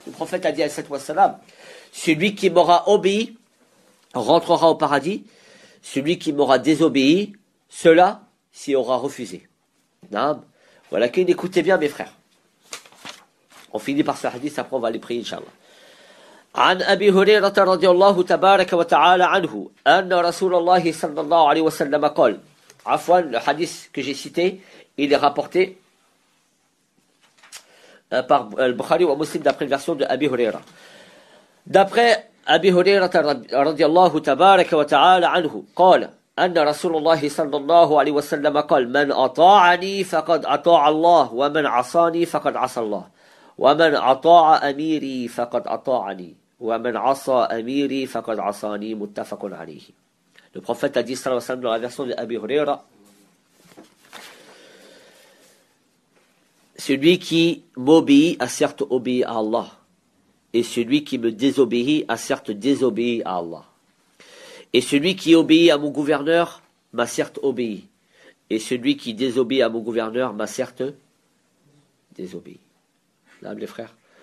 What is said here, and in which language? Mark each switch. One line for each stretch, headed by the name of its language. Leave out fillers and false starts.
French: Le prophète a dit à cette fois salam, celui qui m'aura obéi rentrera au paradis, celui qui m'aura désobéi, cela s'y aura refusé. Voilà qu'il écoutait bien, mes frères. On finit par ce hadith, après on va aller prier, Inch'Allah.
Arabic: عن أبي هريرة رضي الله تبارك وتعالى عنه أن رسول الله صلى الله عليه وسلم قال عفوا الحديث
French: que j'ai cité il est rapporté par
Arabic: البخاري ومسلم
French: d'après la version de
Arabic: أبي هريرة.
French: D'après
Arabic: أبي هريرة رضي الله تبارك وتعالى عنه قال أن رسول الله صلى الله عليه وسلم قال من أطاعني فقد أطاع الله ومن عصاني فقد عصى الله ومن أطاع أميري فقد أطاعني ومن عصى أميري فقد عصاني متفق عليه.
French: Le prophète a dit
Arabic: صلى الله عليه وسلم
French: dans la version de Abi Huraira, celui qui m'obéit a certes obéi à Allah et celui qui me désobéit a certes désobéi à Allah et celui qui obéit à mon gouverneur m'a certes obéi et celui qui désobéit à mon gouverneur m'a certes désobéi. Là, les frères.